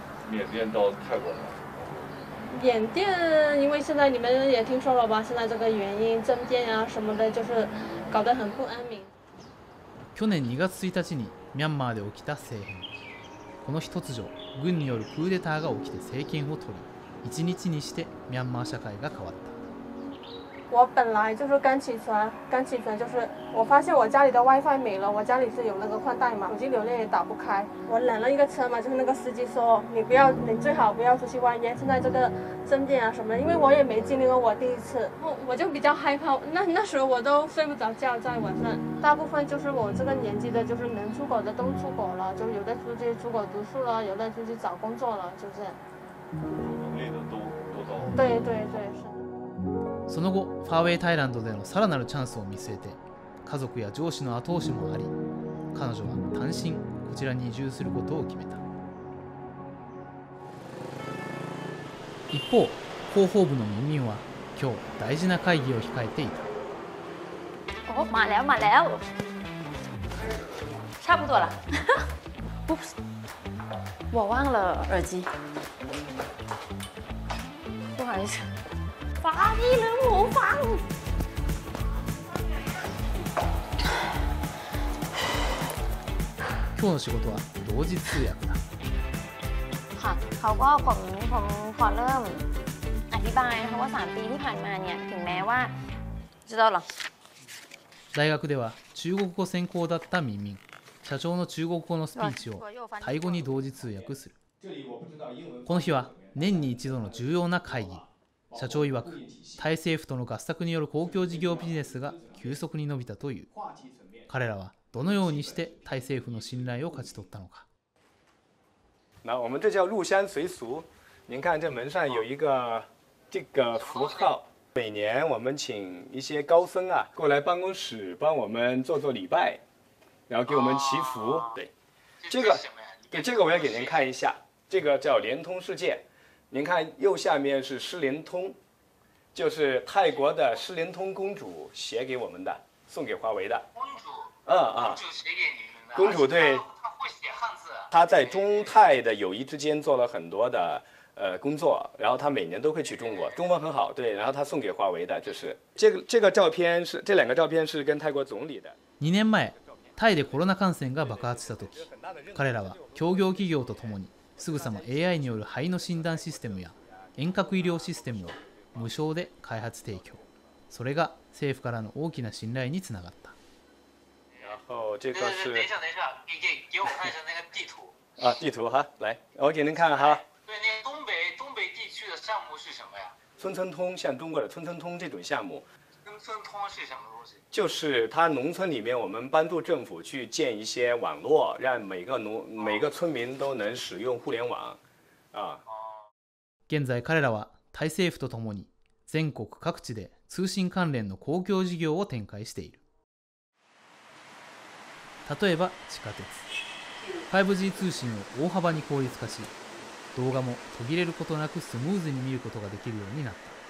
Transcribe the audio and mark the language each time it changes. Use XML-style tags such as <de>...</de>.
<zh>缅甸，因为现在你们也听说了吧，现在这个原因政变啊什么的，就是搞得很不安宁。</zh> <ja>去年2月1日にミャンマーで起きた政変。この日突如軍によるクーデターが起きて政権を取り、一日にしてミャンマー社会が変わった。</ja> <zh>我本来就是刚起床就是我发现我家里的 WiFi 没了，我家里是有那个宽带嘛，手机流量也打不开。我拦了一个车嘛，就是那个司机说你最好不要出去外面，现在这个政变啊什么，因为我也没经历过我第一次，我就比较害怕。那时候我都睡不着觉，在晚上大部分就是我这个年纪的就是能出国的都出国了，就有的出去出国读书了，有的出去找工作了，就是能力的都到了。对对对，是。</zh> <ja>その後、ファーウェイタイランドでのさらなるチャンスを見据えて、家族や上司の後押しもあり、彼女は単身こちらに移住することを決めた。一方、広報部のミンミンは今日大事な会議を控えていた。お、マレオマレオ。</ja> <zh>差不多了。</zh> <en>Oops。</en> <zh>我忘了耳机。不好意思。法医人无妨，</zh> <ja>今日の仕事は同時通訳だ。</ja> <th>ค่ะเขาก็ผมขอเริ่มอธิบายเพราะว่า3ปีที่ผ่านมาเนี่ยถึงแม้ว่าจะต้องหร</th> <ja>อ大学では中国語専攻だったミンミン、社長の中国語のスピーチをタイ語に同時通訳する。この日は年に一度の重要な会議。社長曰く、タイ政府との合作による公共事業ビジネスが急速に伸びたという。彼らはどのようにしてタイ政府の信頼を勝ち取ったのか。</ja> <zh>那我们这叫入乡随俗。您看这门上有一个这个符号，每年我们请一些高僧啊过来办公室帮我们做做礼拜，然后给我们祈福。对，这个对这个我要给您看一下，这个叫联通世界。您看右下面是诗灵通，就是泰国的诗灵通公主写给我们的，送给华为的。公主，嗯嗯，公主写给你们的。公主对，她会写汉字。她在中泰的友谊之间做了很多的工作，然后她每年都会去中国，中文很好，对。然后她送给华为的，就是这个照片是这两个照片是跟泰国总理的。</zh> <ja>2年前、タイでコロナ感染が爆発した時、彼らは協業企業とともに。すぐさま AI による肺の診断システムや遠隔医療システムを無償で開発提供。それが政府からの大きな信頼につながった。</ja> <zh>然后这个是。等一下，给我看一下那个地图。啊，地图哈，来，我给您看哈。对，那东北地区的项目是什么呀？村村通，像中国的村村通这种项目。村村通是什么东西？就是他农村里面，我们帮助政府去建一些网络，让每个村民都能使用互联网。啊。</zh> <ja>現在彼らはタイ政府とともに全国各地で通信関連の公共事業を展開している。例えば地下鉄、5G 通信を大幅に効率化し、動画も途切れることなくスムーズに見ることができるようになった。</ja>